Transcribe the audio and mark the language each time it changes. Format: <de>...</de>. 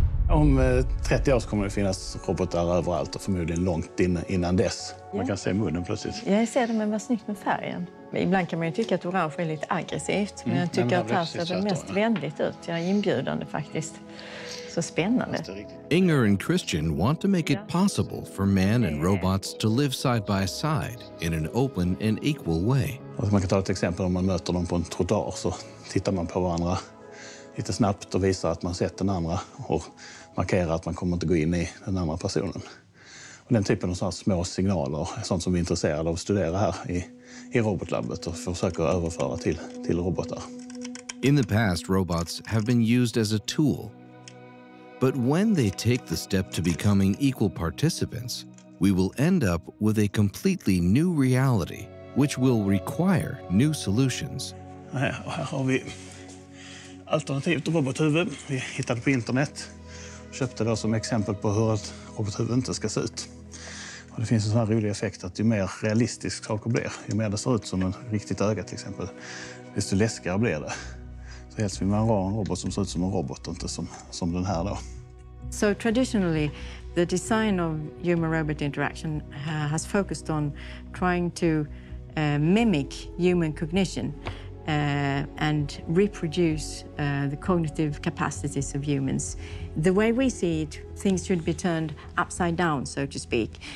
<sv>Om 30 år kommer det finnas robotar överallt och förmodligen långt innan dess. Man kan se munnen plötsligt. Ja, jag ser det, men vad snyggt med färgen. Ibland kan man ju tycka att orange är lite aggressivt, men jag tycker att här ser det mest vänligt ut. Jag är inbjudande faktiskt. Så spännande.</sv> <en>Inger and Christian want to make it possible for man and robots to live side by side in an open and equal way.</en> <sv>Man kan ta ett exempel om man möter dem på en trottoar så tittar man på varandra lite snabbt och visar att man sett den andra och markerar att man kommer inte gå in I den andra personen. Och den typen av så här små signaler, sånt som vi är intresserade av att studera här I robotlabbet och försöker överföra till robotar.</sv> <en>In the past, robots have been used as a tool. But when they take the step to becoming equal participants, we will end up with a completely new reality which will require new solutions.</en> <sv>Här har vi alternativt robothuvud. Vi hittade på internet. Köpte det som exempel på hur ett robothuvud inte ska se ut. Och det finns en sån här rolig effekt att ju mer realistisk saker blir, ju mer det ser ut som en riktigt öga till exempel, desto läskigare blir det. Så helst vill man ha en robot som ser ut som en robot, inte som den här då.</sv> <en>So traditionally, the design of human-robot interaction has focused on trying to mimic human cognition and reproduce the cognitive capacities of humans. The way we see it, things should be turned upside down, so to speak.</en>